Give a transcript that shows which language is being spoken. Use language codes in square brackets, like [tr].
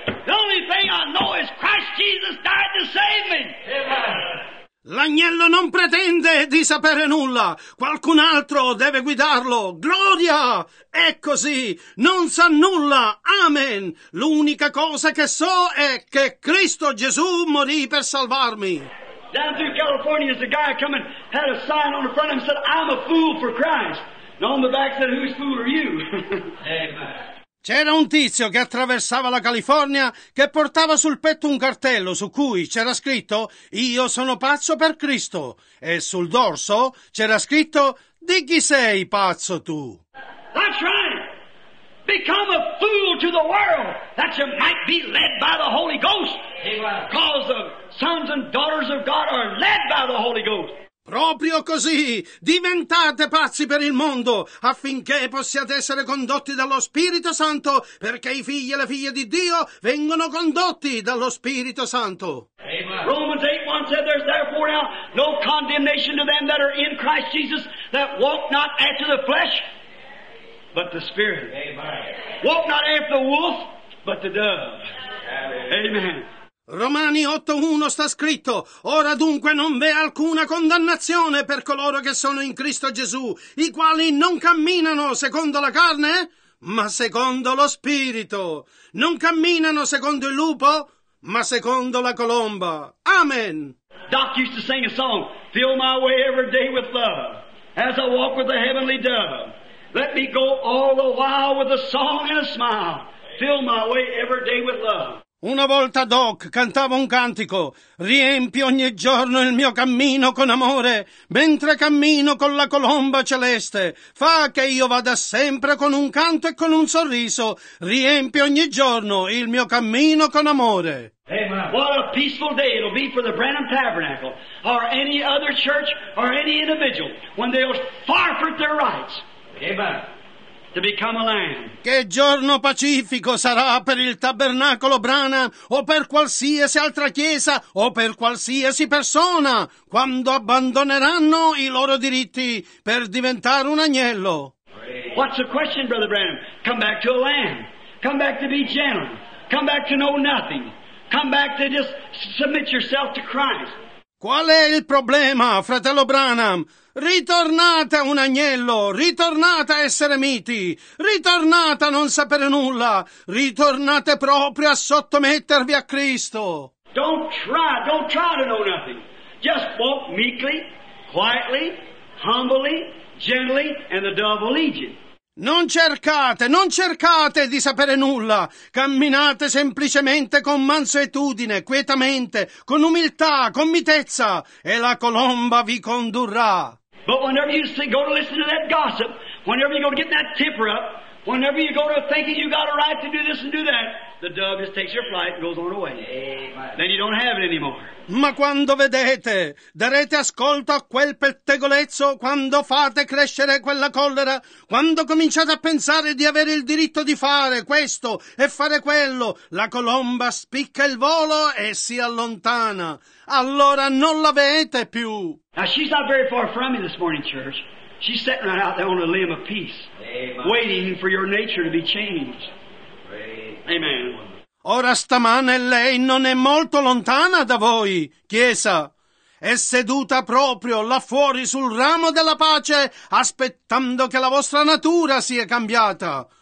[en] The only thing I know is Christ Jesus died to save me. Amen. [it] L'agnello non pretende di sapere nulla. Qualcun altro deve guidarlo. Gloria! È così. Non sa nulla. Amen. L'unica cosa che so è che Cristo Gesù morì per salvarmi. [en] Down through California is a guy coming, had a sign on the front of him, said, I'm a fool for Christ. And on the back said, whose fool are you? Amen. [it] C'era un tizio che attraversava la California che portava sul petto un cartello su cui c'era scritto, io sono pazzo per Cristo. E sul dorso c'era scritto, di chi sei pazzo tu? [en] That's right. Become a fool to the world that you might be led by the Holy Ghost. Cause of sons and daughters of God are led by the Holy Ghost. [it] Proprio così, diventate pazzi per il mondo affinché possiate essere condotti dallo Spirito Santo, perché i figli e le figlie di Dio vengono condotti dallo Spirito Santo. [en] Amen. Romans 8:1 said, there's therefore now no condemnation to them that are in Christ Jesus that walk not after the flesh, but the Spirit. Amen. Walk not after the wolf, but the dove. Amen. Amen. [it] Romani 8:1 sta scritto, ora dunque non v'è alcuna condannazione per coloro che sono in Cristo Gesù, i quali non camminano secondo la carne, ma secondo lo Spirito. Non camminano secondo il lupo, ma secondo la colomba. Amen. [en] Doc used to sing a song, fill my way every day with love, as I walk with the heavenly dove. Let me go all the while with a song and a smile, fill my way every day with love. [it] Una volta Doc cantava un cantico, riempi ogni giorno il mio cammino con amore, mentre cammino con la colomba celeste, fa che io vada sempre con un canto e con un sorriso, riempi ogni giorno il mio cammino con amore. Amen. [en] What a peaceful day it'll be for the Branham Tabernacle, or any other church, or any individual, when they'll forfeit their rights. Amen. To become a lamb. [it] Che giorno pacifico sarà per il tabernacolo Branham o per qualsiasi altra chiesa o per qualsiasi persona quando abbandoneranno i loro diritti per diventare un agnello. [en] What's the question, Brother Branham? Come back to a lamb. Come back to be gentle. Come back to know nothing. Come back to just submit yourself to Christ. [it] Qual è il problema, fratello Branham? Ritornate a un agnello, ritornate a essere miti, ritornate a non sapere nulla, ritornate proprio a sottomettervi a Cristo. [en] Don't try to know nothing. Just walk meekly, quietly, humbly, gently, and the dove will lead you. [it] Non cercate, non cercate di sapere nulla. Camminate semplicemente con mansuetudine, quietamente, con umiltà, con mitezza, e la colomba vi condurrà. [en] But whenever you see, go to listen to that gossip, whenever you go to get that temper up, whenever you go to thinking you got a right to do this and do that, the dove just takes your flight and goes on away. Amen. Then you don't have it anymore. [it] Ma quando vedete, darete ascolto a quel pettegolezzo, quando fate crescere quella collera, quando cominciate a pensare di avere il diritto di fare questo e fare quello, la colomba spicca il volo e si allontana. Allora non l'avete più. [en] Now she's not very far from me this morning, church. She's sitting right out there on a limb of peace. Amen. Waiting for your nature to be changed. Praise. Amen. [it] Ora stamane lei non è molto lontana da voi, chiesa. È seduta proprio là fuori sul ramo della pace, aspettando che la vostra natura sia cambiata.